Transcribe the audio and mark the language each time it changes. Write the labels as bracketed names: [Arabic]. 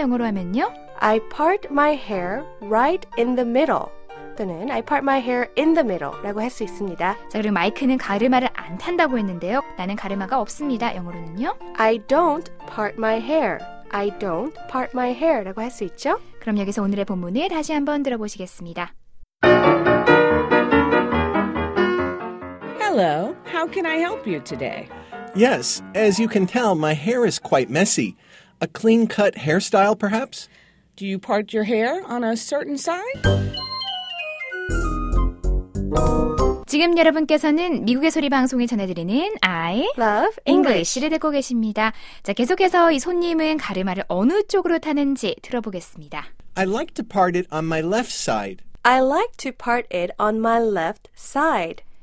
[Korean] 영어로 하면요. [English] I part my hair right in the middle. 또는 I part my hair in the middle [Korean] 라고 할 수 있습니다. 자, 그리고 마이크는 가르마를 안 탄다고 했는데요. 나는 가르마가 없습니다. 영어로는요? I don't part my hair. I don't part my hair 라고 할 수 있죠? 그럼 여기서 오늘의 본문을 다시 한번 들어보시겠습니다. [English] Hello, how can I help you today? Yes, as you can tell, my hair is quite messy. A clean cut hairstyle perhaps? Do you part your hair on a certain side? [Korean] 지금 여러분께서는 미국의 소리 방송에 전해드리는 I [English] Love English를 [Korean] 듣고 계십니다. 자, 계속해서 이 손님은 가르마를 어느 쪽으로 타는지 들어보겠습니다. [English] I like to part it on my left side. I like to part it on my left side.